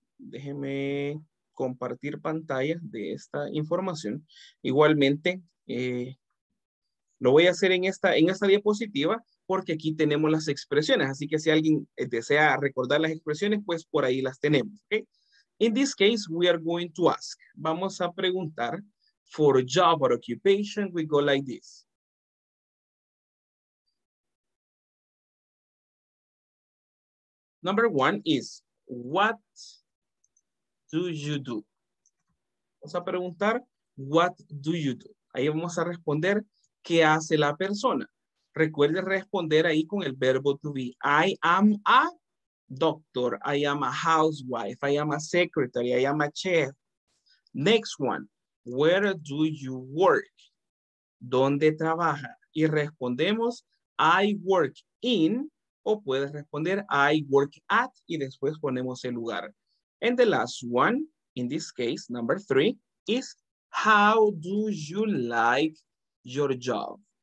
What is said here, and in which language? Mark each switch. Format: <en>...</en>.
<es>Déjeme compartir pantalla de esta información. Igualmente, lo voy a hacer en esta diapositiva. Porque aquí tenemos las expresiones. Así que si alguien desea recordar las expresiones, pues por ahí las tenemos.</es> <en>Okay? In this case, we are going to ask.</en> <es>Vamos a preguntar.</es> <en>For job or occupation, we go like this. Number one is, what do you do?</en> <es>Vamos a preguntar,</es> <en>what do you do?</en> <es>Ahí vamos a responder, ¿qué hace la persona? Recuerde responder ahí con el verbo to be.</es> <en>I am a doctor. I am a housewife. I am a secretary. I am a chef. Next one. Where do you work?</en> <es>¿Dónde trabaja? Y respondemos</es> <en>I work in,</en> <es>o puedes responder</es> <en>I work at,</en> <es>y después ponemos el lugar.</es> <en>And the last one, in this case, number three, is how do you like your job?</en>